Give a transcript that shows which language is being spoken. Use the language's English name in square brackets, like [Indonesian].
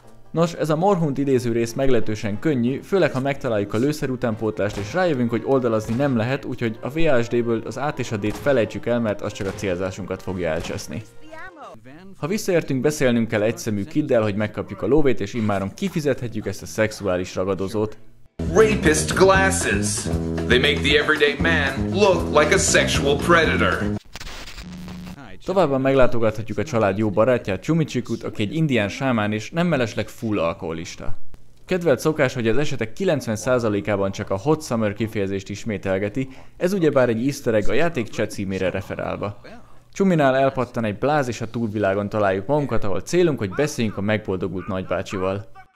[Hungarian] Nos, ez a Morhunt idéző rész meglehetősen könnyű, főleg ha megtaláljuk a lőszer utánpótlást és rájövünk, hogy oldalazni nem lehet, úgyhogy a VHD-ből az A-t és a D-t felejtsük el, mert az csak a célzásunkat fogja elcseszni. Ha visszaértünk, beszélnünk kell egy szemű kiddel, hogy megkapjuk a lóvét és immáron kifizethetjük ezt a szexuális ragadozót. [English] Rapist glasses. They make the everyday man look like a sexual predator. [Hungarian] Továbbá meglátogathatjuk a család jó barátját, Chumichikut, aki egy indián sámán és nem mellesleg full alkoholista. Kedvelt szokás, hogy az esetek 90%-ában csak a Hot Summer kifejezést ismételgeti, ez ugyebár egy easter egg a játék chat címére referálva. Chuminál elpattan egy bláz és a túlvilágon találjuk magunkat, ahol célunk, hogy beszéljünk a megboldogult nagybácsival.